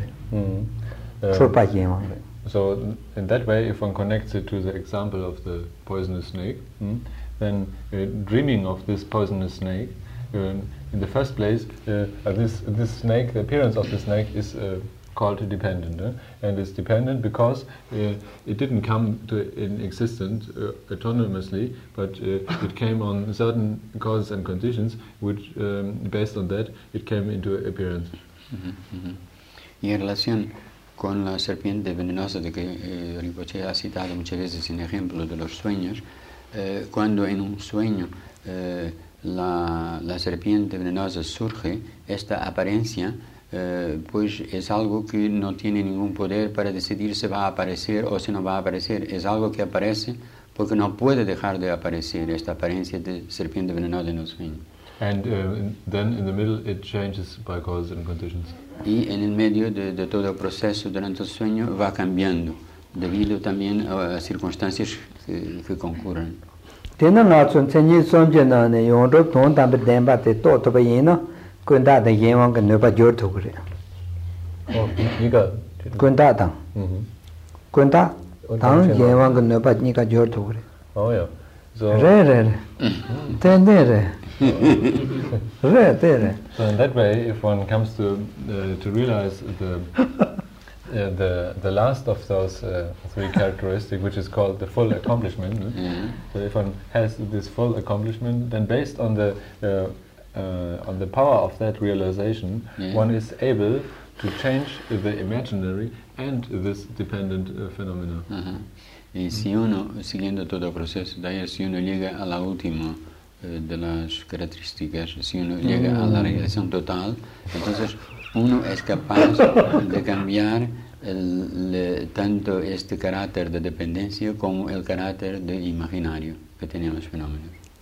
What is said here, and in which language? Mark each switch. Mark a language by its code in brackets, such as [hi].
[en] So in that way, if one connects it to the example of the poisonous snake, then dreaming of this poisonous snake, in the first place, this snake, the appearance of the snake is called dependent, and it's dependent because it didn't come to in existence autonomously, but it came on certain causes and conditions, which based on that, it came into appearance. [es] Y en relación con la serpiente venenosa de que Rinpoche ha citado muchas veces en ejemplo de los sueños, cuando en un sueño la serpiente venenosa surge, esta apariencia pues es algo que no tiene ningún poder para decidir si va a aparecer o si no va a aparecer. Es algo que aparece porque no puede dejar de aparecer esta apariencia de serpiente venenosa en el sueño. [en] And then in the middle it changes by causes and conditions. [es] Y en el medio de todo el proceso durante el sueño va cambiando debido también a circunstancias que concurren. Tiene una sonchenye sonjena ne yondo ton dambe demba te to to be yina kunda de yewang ke ne ba jor to gre. Oh, nika kunda ta. Mhm. Kunda tang yewang ke ne ba nika jor to gre. [en] Oh yeah. So re. Tenere. So in that way, if one comes to realize the last of those three characteristics, which is called the full accomplishment, mm-hmm. So if one has this full accomplishment, then based on the power of that realization, mm-hmm. one is able to change the imaginary and this dependent phenomena. [es] Uh-huh. Y si uno, siguiendo todo el proceso, de ahí, si uno llega a la última de las características, si uno llega a la realización total, entonces uno es capaz de cambiar tanto este carácter de dependencia como el carácter de imaginario que tenían los fenómenos.